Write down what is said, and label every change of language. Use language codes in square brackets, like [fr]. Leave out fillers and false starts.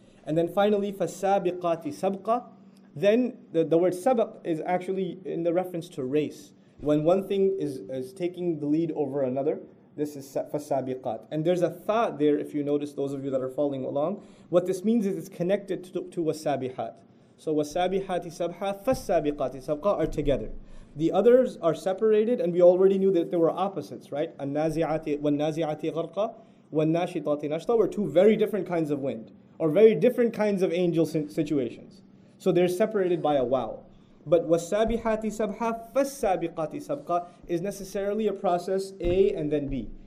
[en] And then finally, [ar] فَالسَّابِقَاتِ سَبْقَ. [en] Then the word سَبَق is actually in the reference to race. When one thing is taking the lead over another, this is فَالسَّابِقَاتِ. And there's a thought there, if you notice, those of you that are following along. What this means is it's connected to wasabihat. So [ar] وَالسَّابِحَاتِ سَبْحَا فَالسَّابِقَاتِ سَبْقَا [en] are together. The others are separated, and we already knew that there were opposites, right? [ar] وَالنَّازِعَاتِ غَرْقَا وَالنَّاشِطَاتِ نَشْطَا [en] were two very different kinds of wind, or very different kinds of angel situations. So they're separated by a wow. But [ar] وَالسَّابِحَاتِ سَبْحَا فَالسَّابِقَاتِ سَبْقَا [en] is necessarily a process A and then B.